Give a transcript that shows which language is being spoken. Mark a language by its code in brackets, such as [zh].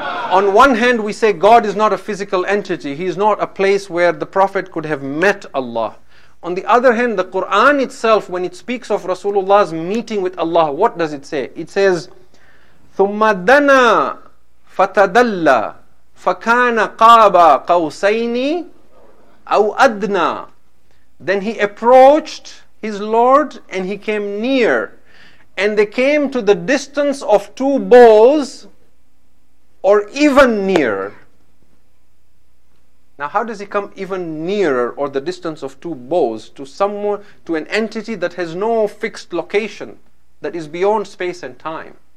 [en] On one hand, we say God is not a physical entity. He is not a place where the Prophet could have met Allah. On the other hand, the Quran itself, when it speaks of Rasulullah's meeting with Allah, what does it say? It says, [ar] ثُمَّ دَنَا فَتَدَلَّ فَكَانَ قَابَ قَوْسَيْنِ أَوْ أَدْنَى. [en] Then he approached his Lord and he came near. And they came to the distance of two bowls or even nearer. Now, how does he come even nearer, or the distance of two bows, to someone, to an entity that has no fixed location, that is beyond space and time?